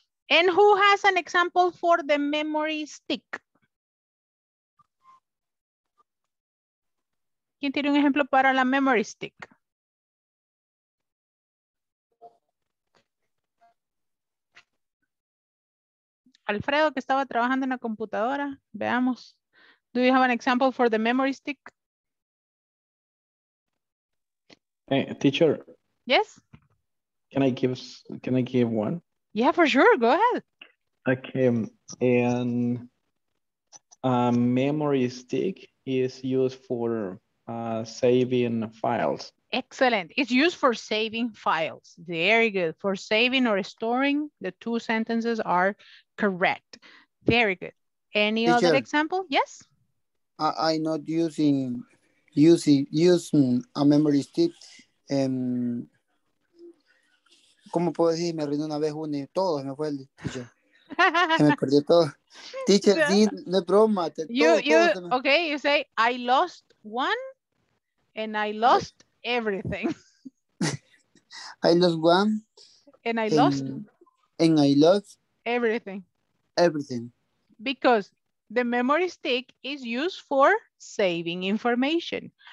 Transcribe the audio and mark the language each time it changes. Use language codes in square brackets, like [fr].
[en] And who has an example for the memory stick? [es] ¿Quién tiene un ejemplo para la memory stick? Alfredo, que estaba trabajando en la computadora. Veamos. [en] Do you have an example for the memory stick? Hey, teacher. Yes? Can I give one? Yeah, for sure. Go ahead. Okay. And a memory stick is used for saving files. Excellent. It's used for saving files. Very good. For saving or storing, the two sentences are correct. Very good. Any Teacher, other example? Yes? I'm not using a memory stick. [es] ¿Cómo puedo decir? Me rindo una vez, uno y todo, me fue el teacher. Se me perdió todo. Teacher, sí, no es broma. [en] Ok, you say, I lost one and I lost everything. I lost one. And I lost. Everything. Everything. Because the memory stick is used for saving information.